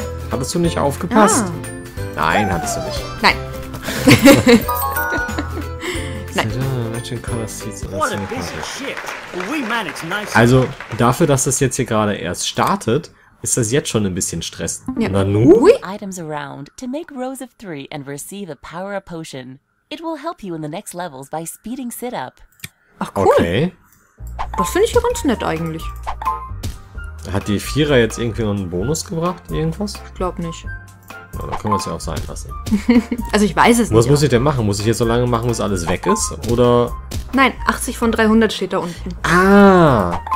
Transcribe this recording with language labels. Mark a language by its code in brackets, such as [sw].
[de] Hattest du nicht aufgepasst? Ah. Nein, hattest du nicht. Nein. Also, dafür, dass das jetzt hier gerade erst startet, ist das jetzt schon ein bisschen Stress. Ja. Nanu? [en] Items around to make rows of three and receive a power potion. It will help you in the next levels by speeding sit up. [de] Ach, cool. Okay. Das finde ich ja ganz nett eigentlich. Hat die Vierer jetzt irgendwie noch einen Bonus gebracht, irgendwas? Ich glaube nicht. Na, dann können wir es ja auch sein lassen. Also ich weiß es nicht. Was muss ich denn machen? Muss ich jetzt so lange machen, bis alles weg ist? Oder? Nein, 80 von 300 steht da unten. Ah!